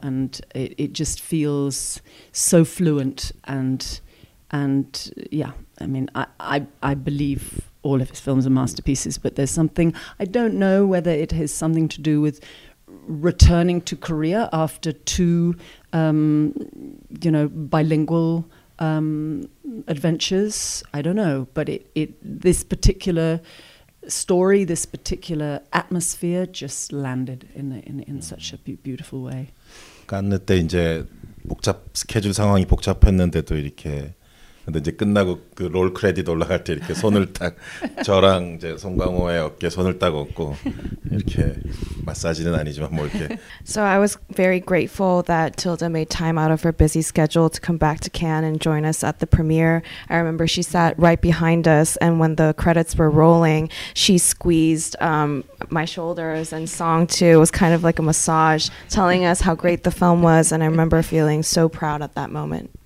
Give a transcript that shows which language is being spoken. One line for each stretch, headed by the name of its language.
English: And it just feels so fluent and I mean, I believe all of his films are masterpieces, but there's something, I don't know whether it has something to do with returning to Korea after two, bilingual adventures. I don't know, but it this particular story, this particular atmosphere just landed in such a beautiful way.
Korean: 간 때 이제 복잡 스케줄 상황이 복잡했는데도 이렇게. 근데 이제 끝나고 그 롤 크레딧 올라갈 때 이렇게 손을 딱 저랑 이제 송강호의 어깨 손을 딱 얹고 이렇게 마사지는 아니지만 뭐 이렇게.
English: So I was very grateful that Tilda made time out of her busy schedule to come back to Cannes and join us at the premiere. I remember she sat right behind us, and when the credits were rolling, she squeezed my shoulders, and Song too. It was kind of like a massage, telling us how great the film was, and I remember feeling so proud at that moment.